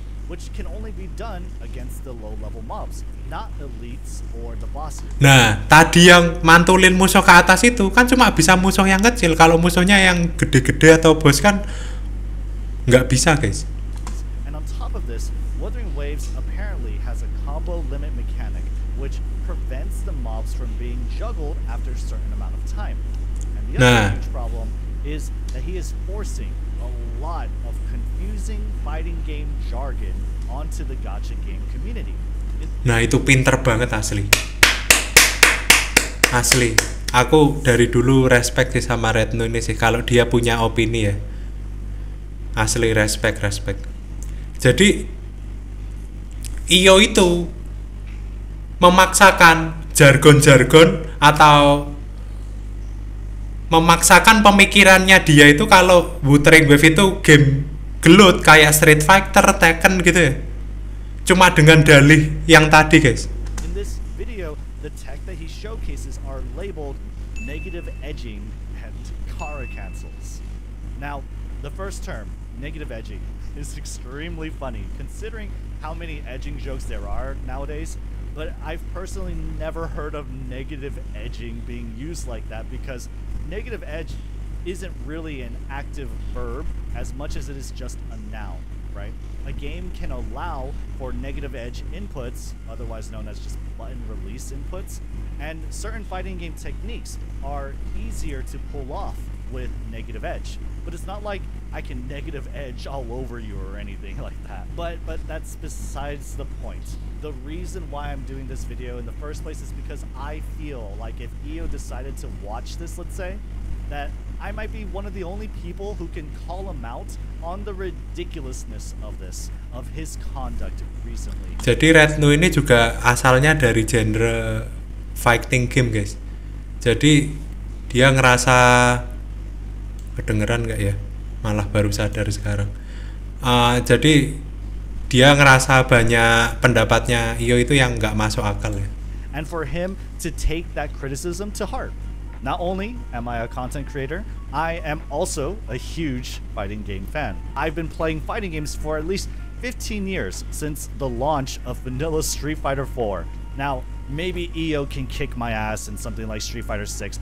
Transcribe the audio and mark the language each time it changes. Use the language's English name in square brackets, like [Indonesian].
[English] Which can only be done against the low level mobs, not elites or the bosses. [Indonesian] Nah, tadi yang mantulin musuh ke atas itu kan cuma bisa musuh yang kecil. Kalau musuhnya yang gede-gede atau bos kan nggak bisa, guys. [English] And on top of this, Wuthering Waves apparently has a combo limit mechanic which prevents the mobs from being juggled after a certain amount of time. And the other huge problem is that he is forcing a lot of confusing fighting game jargon onto the gacha game community. [Indonesian] Nah, itu pinter banget asli. Asli. Aku dari dulu respect sih sama Retno ini sih, kalau dia punya opini ya. Asli respect, respect. Jadi Io itu memaksakan jargon-jargon atau memaksakan pemikirannya dia itu kalau Wuthering Waves itu game gelut kayak Street Fighter, Tekken gitu ya. Cuma dengan dalih yang tadi, guys. [English] In this video, the tech that he showcases are labeled negative edging and Kara cancels. Now, the first term, negative edging, is extremely funny considering how many edging jokes there are nowadays. But I've personally never heard of negative edging being used like that, because negative edge isn't really an active verb as much as it is just a noun, right? A game can allow for negative edge inputs, otherwise known as just button release inputs, and certain fighting game techniques are easier to pull off with negative edge. But it's not like I can negative edge all over you or anything like that. But that's besides the point. The reason why I'm doing this video in the first place is because I feel like if Io decided to watch this, let's say, that I might be one of the only people who can call him out on the ridiculousness of this, of his conduct recently. [Indonesian] Jadi Retno ini juga asalnya dari genre fighting game, guys. Jadi dia ngerasa kedengeran nggak ya? Malah baru sadar sekarang. Jadi dia ngerasa banyak pendapatnya Io itu yang nggak masuk akal ya. [English] And for him to take that criticism to heart. Not only am I a content creator, I am also a huge fighting game fan. I've been playing fighting games for at least 15 years since the launch of vanilla Street Fighter 4. Now, maybe Io can kick my ass in something like Street Fighter 6.